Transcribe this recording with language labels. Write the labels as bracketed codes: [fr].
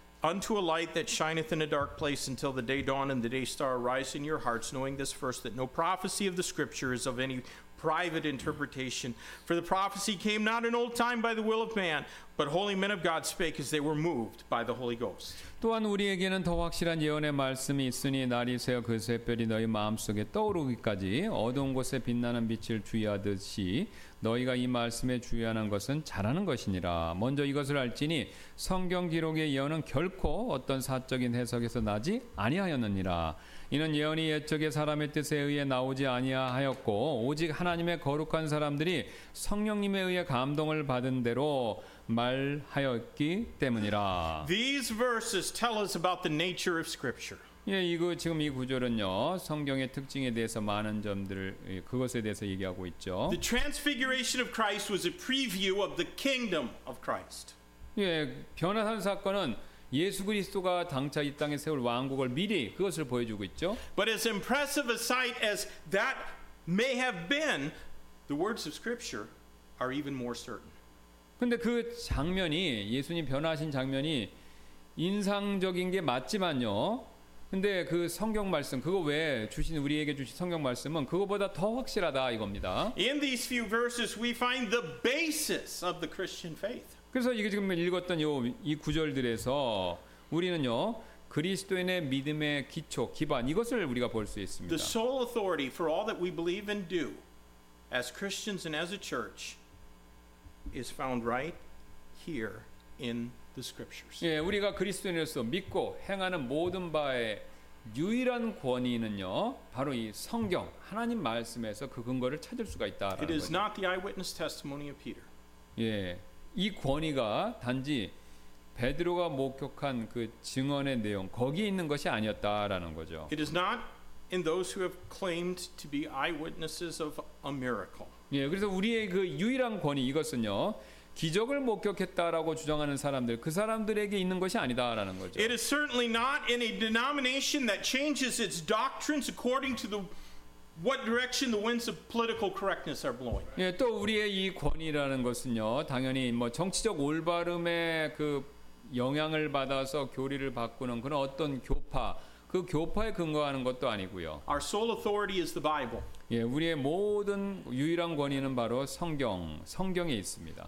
[en] Unto a light that shineth in a dark place until the day dawn and the day star arise in your hearts, knowing this first, that no prophecy of the scripture is of any private interpretation. For the prophecy came not in old time by the will of man, But holy men of God spake as they were moved by the Holy Ghost. [ko] 또한 우리에게는 더 확실한 예언의 말씀이 있으니 날이 새어 그 새별이 너희 마음속에 떠오르기까지 어두운 곳에 빛나는 빛을 주의하듯이 너희가 이 말씀에 주의하는 것은 잘하는 것이니라. 먼저 이것을 알지니 성경 기록의 예언은 결코 어떤 사적인 해석에서 나지 아니하였느니라. 이는 예언이 옛적의 사람의 뜻에 의해 나오지 아니하였고 오직 하나님의 거룩한 사람들이 성령님에 의해 감동을 받은 대로 말하였기 때문이라. [en] These verses tell us about the nature of Scripture. [ko] 예, 이거 지금 이 구절은요 성경의 특징에 대해서 많은 점들을 그것에 대해서 얘기하고 있죠. [en] The transfiguration of Christ was a preview of the kingdom of Christ. [ko] 예, 변화산 사건은 예수 그리스도가 당차 이 땅에 세울 왕국을 미리 그것을 보여주고 있죠. [en] But as impressive a sight as that may have been, the words of Scripture are even more certain. [ko] 근데 그 장면이 예수님 변화하신 장면이 인상적인 게 맞지만요. 근데 그 성경 말씀 그거 외에 주신 우리에게 주신 성경 말씀은 그거보다 더 확실하다 이겁니다. [en] In these few verses we find the basis of the Christian faith. [ko] 그래서 이게 지금 읽었던 이 구절들에서 우리는요. 그리스도인의 믿음의 기초, 기반 이것을 우리가 볼 수 있습니다. [en] The sole authority for all that we believe and do as Christians and as a church is found right here in the scriptures. [ko] 예, 우리가 그리스도인으로서 믿고 행하는 모든 바에 유일한 권위는요. 바로 이 성경, 하나님 말씀에서 그 근거를 찾을 수가 있다라는 거죠. [en] It is not the eyewitness testimony of Peter. [ko] 예. 이 권위가 단지 베드로가 목격한 그 증언의 내용 거기에 있는 것이 아니었다라는 거죠. [en] It is not in those who have claimed to be eyewitnesses of a miracle. [ko] 예, 그래서 우리의 그 유일한 권위 이것은요 기적을 목격했다라고 주장하는 사람들 그 사람들에게 있는 것이 아니다라는 거죠. [en] It is certainly not in a denomination that changes its doctrines according to the what direction the winds of political correctness are blowing. [ko] 예, 또 우리의 이 권위라는 것은요 당연히 뭐 정치적 올바름의 그 영향을 받아서 교리를 바꾸는 그런 어떤 교파 그 교파에 근거하는 것도 아니고요. [en] Our sole authority is the Bible. [ko] 예, 우리의 모든 유일한 권위는 바로 성경, 성경에 있습니다.